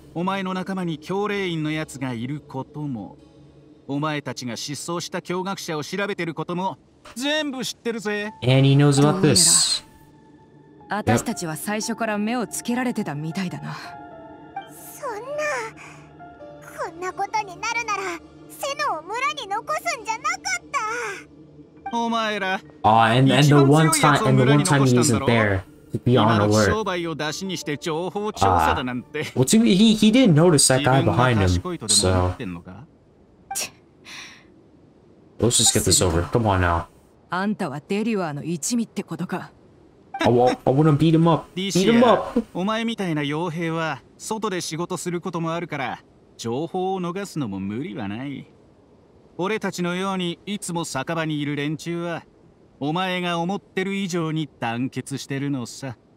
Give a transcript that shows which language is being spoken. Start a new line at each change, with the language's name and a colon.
Japanese: お前の仲間に教令員のやつがいることも、お前たちが失踪した驚愕者を調べてることも全部知ってるぜ。
English: And he knows about this.
Japanese: 私たちは最初から目をつけられてたみたいだな。そんな、こんなことになるならセノを村に残すんじゃなかった。お前ら、
English: and the one time he isn't there to be on alert.
Japanese: 商売を出しにして情報調査だなんて。
English: He didn't notice that guy behind him, so. Let's just get this over. Come on now.
Japanese: あんたはデリワーの一味ってことか。
English: I wanna beat him up. Beat him up.
Japanese: お前みたいな傭兵は外で仕事することもあるから、情報を逃すのも無理はない。俺たちのようにいつも酒場にいる連中は、お前が思ってる以上に団結してるのさ。